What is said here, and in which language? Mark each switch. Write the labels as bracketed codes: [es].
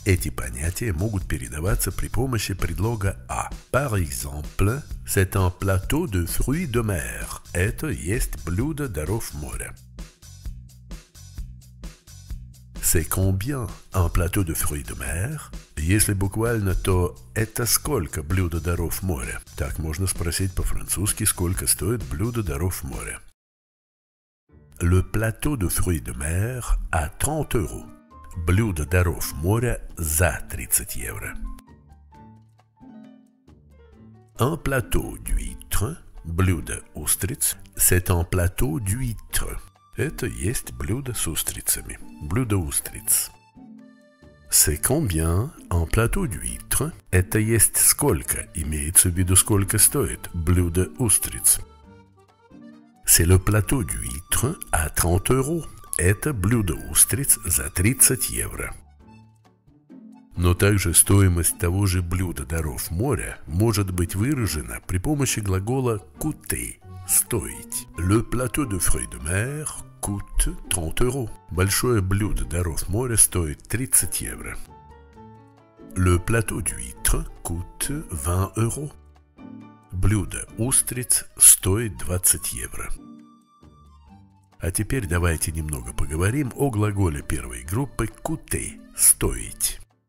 [ru] Эти понятия могут передаваться при помощи предлога «а». [fr] Par exemple, c'est un plateau de fruits de mer. [ru] Это есть блюдо даров моря. [fr] C'est combien un plateau de fruits de mer? [ru] Если буквально, то «это сколько блюдо даров моря?» Так можно спросить по-французски, сколько стоит блюдо даров моря. [fr] Le plateau de fruits de mer à 30 euros. [ru] Блюдо даров моря за 30 евро. [fr] Un plateau d'huîtres. [ru] Блюдо устриц. [fr] C'est un plateau d'huîtres. [ru] Это есть блюдо с устрицами. Блюдо устриц. [fr] C'est combien un plateau d'huîtres? [ru] Это есть сколько? Имеется в виду сколько стоит блюдо устриц. [fr] C'est le plateau d'huîtres à 30 euros. [ru] Это блюдо устриц за 30 евро. Но также стоимость того же блюда даров моря может быть выражена при помощи глагола coûter. Стоить. [fr] Le plateau de fruits de mer coûte 30 euros. [ru] Большое блюдо даров моря стоит 30 евро. [fr] Le plateau d'huîtres coûte 20 euros. [ru] Блюдо устриц стоит 20 евро. А теперь давайте немного поговорим о глаголе первой группы coûter. Стоить.